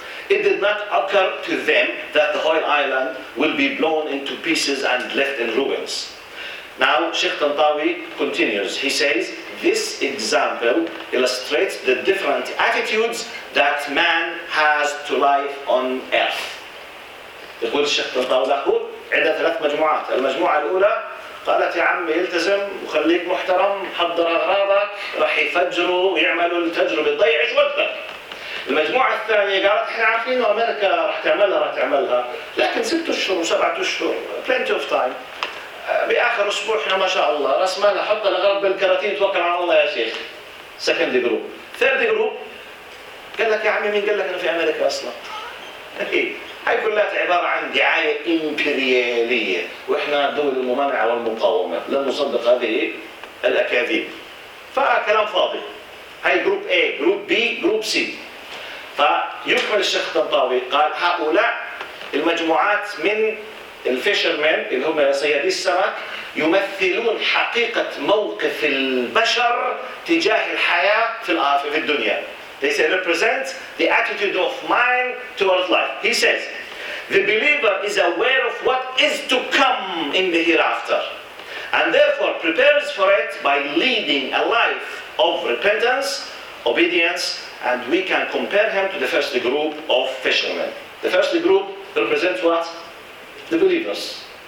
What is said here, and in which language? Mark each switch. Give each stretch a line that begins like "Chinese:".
English: It did not occur to them that the whole island will be blown into pieces and left in ruins. Now, Sheikh Tantawi continues. He says, this example illustrates the different attitudes that man has to life on earth.
Arabic: يقول الشيخ طنطاوي له عندها 3 مجموعات، المجموعة الأولى قالت يا عمي التزم وخليك محترم، حضر أغراضك، راح يفجروا ويعملوا التجربة تضيعش وقتك. المجموعة الثانية قالت احنا عارفين أمريكا راح تعملها، لكن 6 أشهر وسبعة أشهر،
English: plenty of time.
Arabic: بآخر أسبوع احنا ما شاء الله رسمنا حط الأغراض بالكراتين توكل على الله يا شيخ.
English: Second group. Third group
Arabic: قال لك يا عمي مين قال لك أنا في أمريكا أصلاً؟ هاي كلها عبارة عن دعاية إمبريالية وإحنا دول الممانعة والمقاومة لن نصدق هذه الأكاذيب فكلام فاضي هاي
English: group A group B group C
Arabic: فيكمل الشيخ طنطاوي قال هؤلاء المجموعات من الفيشرمن اللي هم صيادي السمك يمثلون حقيقة موقف البشر تجاه الحياة في الدنيا
English: They say represent the attitude of mind towards life. He says, the believer is aware of what is to come in the hereafter and therefore prepares for it by leading a life of repentance, obedience, and we can compare him to the first group of fishermen. The first group represents what? The believers.